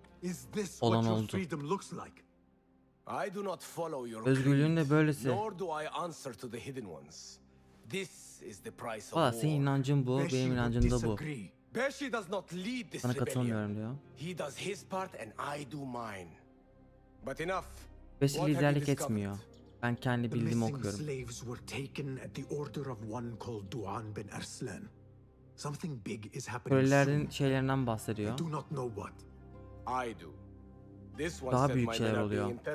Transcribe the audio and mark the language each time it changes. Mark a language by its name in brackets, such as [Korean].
[English] Is this what your freedom looks like? I do not follow your. [Turkish] Özgürlüğün de böylesi. [English] Nor do I answer to the hidden ones. This is the price of war. [Turkish] Senin inancın bu, benim inancım da bu. [English] Beshi does not lead this rebellion. He does his part and I do mine. But enough. [Turkish] Beshi liderlik etmiyor. Ben kendi bildiğimi okuyorum. [English] The missing slaves were taken at the order of one called Duan bin Arslan. Something big is happening. [Turkish] Kölelerin şeylerinden bahsediyor. [English] I do not know what. I do. [Turkish] daha büyük şeyler oluyor.